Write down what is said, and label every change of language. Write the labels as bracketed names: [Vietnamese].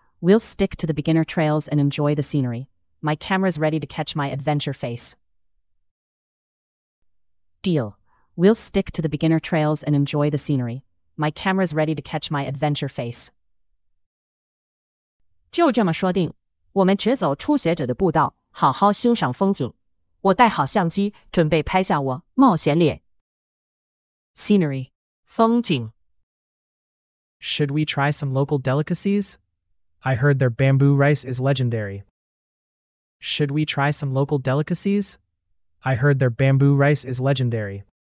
[English] We'll stick to the beginner trails and enjoy the scenery. My camera's ready to catch my adventure face. Deal. We'll stick to the beginner trails and enjoy the scenery. My camera's ready to catch my adventure face. [Chinese] 就这么说定，我们只走初学者的步道，好好欣赏风景。我带好相机，准备拍下我冒险脸。Scenery. 风景。 [English] Should we try some local delicacies? I heard their bamboo rice is legendary. Should we try some local delicacies? I heard their bamboo rice is legendary.